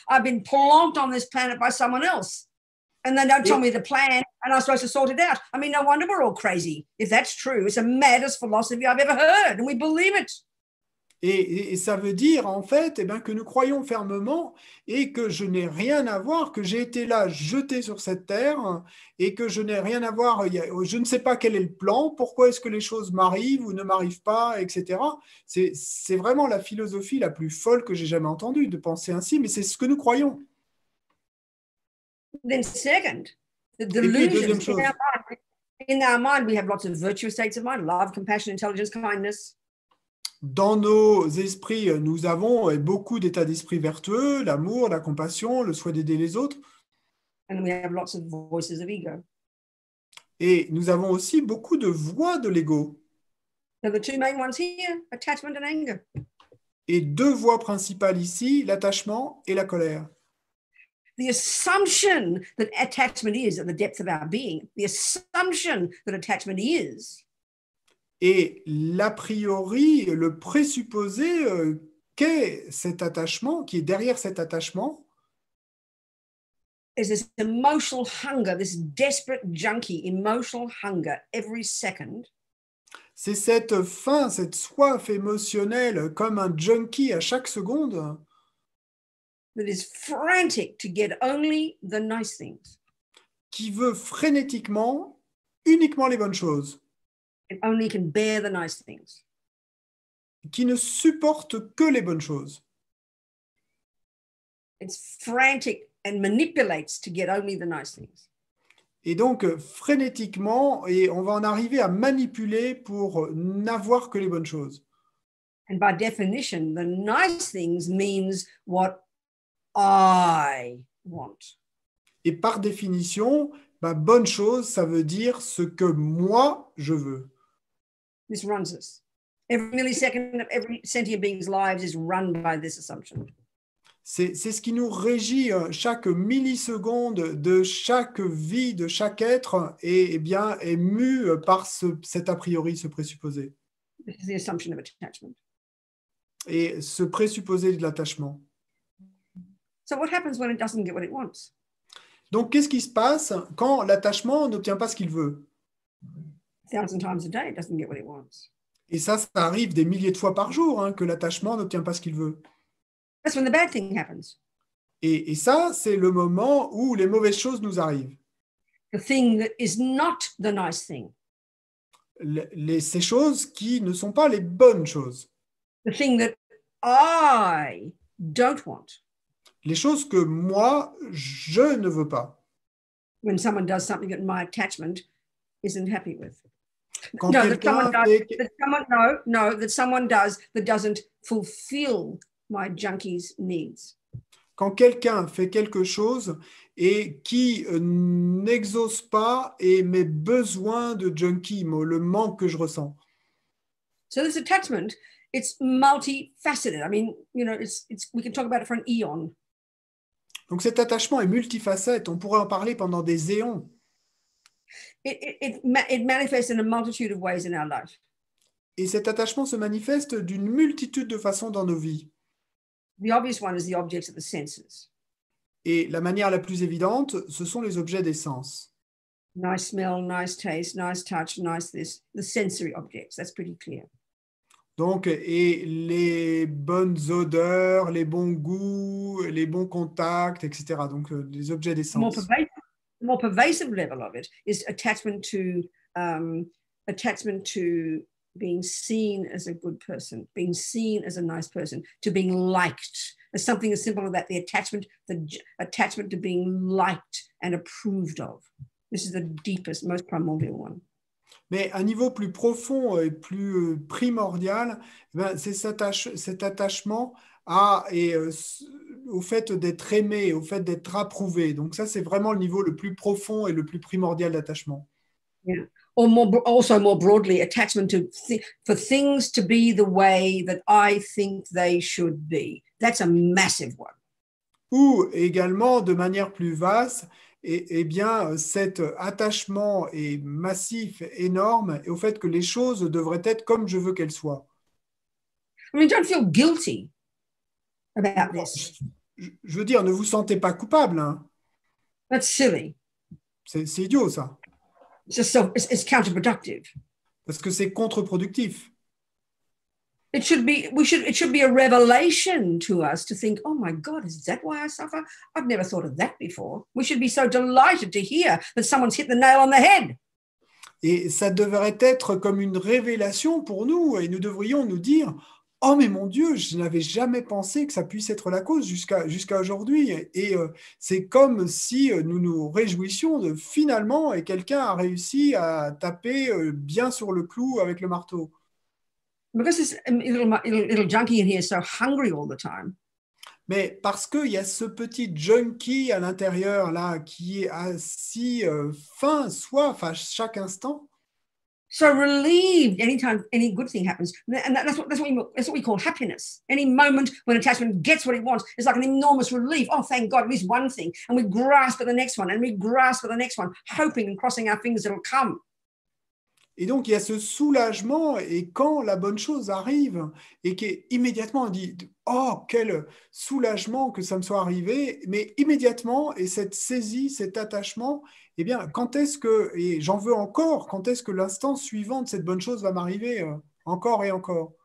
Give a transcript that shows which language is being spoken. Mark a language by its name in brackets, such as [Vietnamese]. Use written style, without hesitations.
[English] I've been plonked on this planet by someone else. And they don't tell me the plan, and I'm supposed to sort it out. I mean, no wonder we're all crazy. If that's true, it's the maddest philosophy I've ever heard, and we believe it. [French] Et ça veut dire en fait eh bien, que nous croyons fermement et que je n'ai rien à voir, que j'ai été là jeté sur cette terre et que je n'ai rien à voir, je ne sais pas quel est le plan, pourquoi est-ce que les choses m'arrivent ou ne m'arrivent pas, etc. C'est vraiment la philosophie la plus folle que j'ai jamais entendue de penser ainsi, mais c'est ce que nous croyons. [English] Then second, the [French] Et puis, [English] delusions [French] deuxième chose. [English] in our mind, we have lots of virtuous states of mind, love, compassion, intelligence, kindness. [French] Dans nos esprits, nous avons beaucoup d'états d'esprit vertueux, l'amour, la compassion, le souhait d'aider les autres. [English] And we have lots of voices of ego. [French] Et nous avons aussi beaucoup de voix de l'ego. [English] Now the two main ones here, attachment and anger. [French] Et deux voix principales ici, l'attachement et la colère. [English] The assumption that attachment is at the depth of our being, the assumption that attachment is. [French] Et l'a priori, le présupposé, qu'est cet attachement, qui est derrière cet attachement? [English] Is this emotional hunger, this desperate junkie, emotional hunger every second? [French] C'est cette faim, cette soif émotionnelle comme un junkie à chaque seconde. [English] That is frantic to get only the nice things. [French] Qui veut frénétiquement uniquement les bonnes choses, [English] It only can bear the nice things. [French] qui ne supporte que les bonnes choses. [English] It's frantic and manipulates to get only the nice things. [French] Et donc, frénétiquement, et on va en arriver à manipuler pour n'avoir que les bonnes choses. [English] And by definition, the nice things means what I want. [French] Et par définition, bah, bonne chose, ça veut dire ce que moi, je veux. [English] This runs us. Every millisecond of every sentient being's lives is run by this assumption. [French] C'est ce qui nous régit chaque milliseconde de chaque vie, de chaque être, et eh bien, est mu par cet a priori, ce présupposé. [English] This is the assumption of attachment. [French] Et ce présupposé de l'attachement. [English] So what happens when it doesn't get what it wants? [French] Donc, qu'est-ce qui se passe quand l'attachement n'obtient pas ce qu'il veut? Et ça arrive des milliers de fois par jour, hein, que l'attachement n'obtient pas ce qu'il veut. [English] That's when the bad thing happens. [French] Et ça, c'est le moment où les mauvaises choses nous arrivent. [English] The thing that is not the nice thing. [French] Ces choses qui ne sont pas les bonnes choses. [English] The thing that I don't want. [French] Les choses que moi, je ne veux pas. [English] When someone does something that my attachment isn't happy with. [French] Quand [English] no, [French] quelqu'un [English] that someone does that doesn't fulfill my junkie's needs. [French] Quand quelqu'un fait quelque chose et qui n'exauce pas et mes besoins de junkie, le manque que je ressens. [English] So this attachment, it's multifaceted. I mean, you know, we can talk about it for an eon. [French] Donc cet attachement est multifacette, on pourrait en parler pendant des éons. [English] It manifests in a multitude of ways in our life. [French] Et cet attachement se manifeste d'une multitude de façons dans nos vies. [English] The obvious one is the objects of the senses. [French] Et la manière la plus évidente, ce sont les objets des sens. [English] Nice smell, nice taste, nice touch, nice this, the sensory objects, that's pretty clear. [French] Donc, et les bonnes odeurs, les bons goûts, les bons contacts, etc. Donc, les objets des sens. [English] The more pervasive level of it is attachment to being seen as a good person, being seen as a nice person, to being liked. As something as simple as that, the attachment to being liked and approved of. This is the deepest, most primordial one. [French] Mais à un niveau plus profond et plus primordial, c'est cet attachement au fait d'être aimé, au fait d'être approuvé. Donc ça, c'est vraiment le niveau le plus profond et le plus primordial d'attachement. [English] Yeah. Also more broadly, attachment to for things to be the way that I think they should be. That's a massive one. [French] Ou également, de manière plus vaste, et bien, cet attachement est massif, énorme, et au fait que les choses devraient être comme je veux qu'elles soient. [English] I mean, don't feel guilty about this. [French] Je veux dire, ne vous sentez pas coupable. Hein. [English] That's silly. [French] C'est idiot, ça. [English] It's counterproductive. [French] Parce que c'est contre-productif. [English] It should be a revelation to us to think, oh my God, is that why I suffer? I've never thought of that before. We should be so delighted to hear that someone's hit the nail on the head. [French] Et ça devrait être comme une révélation pour nous, et nous devrions nous dire, oh mais mon Dieu, je n'avais jamais pensé que ça puisse être la cause jusqu'à aujourd'hui. Et c'est comme si nous nous réjouissions de finalement et quelqu'un a réussi à taper bien sur le clou avec le marteau. [English] Because this little junkie in here is so hungry all the time. [French] Mais parce qu'il y a ce petit junkie à l'intérieur là qui est si faim, soif à chaque instant. [English] So relieved anytime any good thing happens, and that's what we call happiness. Any moment when attachment gets what it wants, it's like an enormous relief. Oh, thank God, at least one thing, and we grasp at the next one, and we grasp at the next one, hoping and crossing our fingers it'll come. [French] Et donc, il y a ce soulagement, et quand la bonne chose arrive, et qu'immédiatement on dit, oh, quel soulagement que ça me soit arrivé, mais immédiatement, et cette saisie, cet attachement, eh bien, quand est-ce que, et j'en veux encore, quand est-ce que l'instant suivant de cette bonne chose va m'arriver, encore et encore?